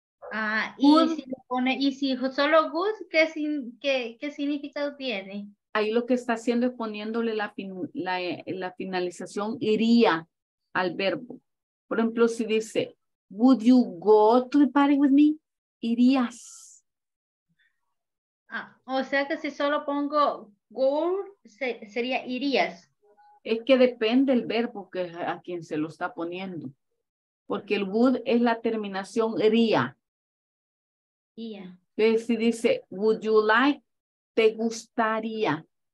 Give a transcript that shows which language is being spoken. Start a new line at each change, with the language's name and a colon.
Spanish: Ah, y good. Si pone, y si solo good, ¿qué significado tiene? Ahí lo que está haciendo es poniéndole la finalización iría al verbo. Por ejemplo, si dice,
English: would you go to the party with me?
Spanish: Irías. Ah, o sea que si solo pongo go, sería irías. Es que depende el verbo que a quien se lo está poniendo. Porque el would es la terminación iría.
English: Yeah.
Spanish: Entonces, si dice,
English: would you like,
Spanish: te gustaría.